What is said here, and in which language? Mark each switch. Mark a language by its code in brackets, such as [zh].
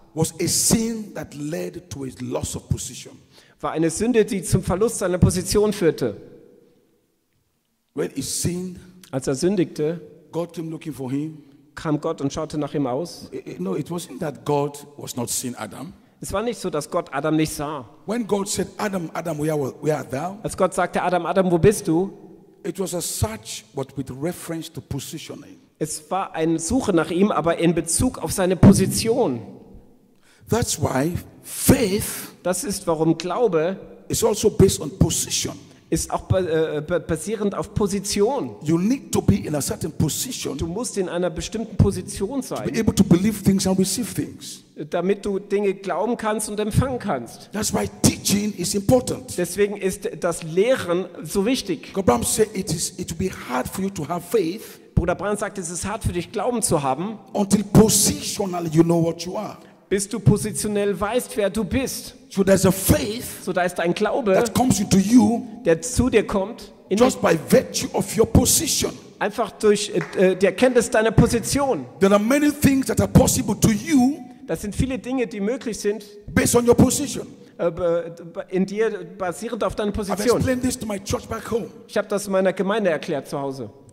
[en] was a sin that led to his loss of position. [de] War eine Sünde, die zum Verlust seiner Position führte. [en] When he sinned, [de] als er sündigte, [en] God came looking for him, [de] kam Gott und schaute nach ihm aus. [en] No, it wasn't that God was not seeing Adam. [de] Es war nicht so, dass Gott Adam nicht sah. [en] When God said, Adam, Adam, where art thou? [de] Als Gott sagte, Adam, Adam, wo bist du? [en] It was a search, but with reference to positioning. [de] Es war eine Suche nach ihm, aber in Bezug auf seine Position. [en] That's why faith, [de] das ist, warum Glaube [en] is also based on position. [de] ist auch basierend auf Position. [en] You need to be in a certain position. [de] Du musst in einer bestimmten Position sein. [en] To be able to believe things and receive things. [de] Damit du Dinge glauben kannst und empfangen kannst. [en] That's why teaching is important. [de] Deswegen ist das Lehren so wichtig. [en] Abraham said it will be hard for you to have faith. [de] Bruder Brand sagt, es ist hart für dich, Glauben zu haben, [en] until positionally you know what you are. [de] Bis du positionell weißt, wer du bist. [en] So there's a faith, [de] so da ist ein Glaube, [en] that comes to you, [de] der zu dir kommt, [en] in just by virtue of your position. [de] Einfach durch die Erkenntnis deiner Position. [en] There are many things that are possible to you, [de] das sind viele Dinge, die möglich sind, [en] based on your position. [de] In dir, basierend auf deiner Position. [en] I've explained this to my church back home. [de] Ich habe das meiner Gemeinde erklärt zu Hause.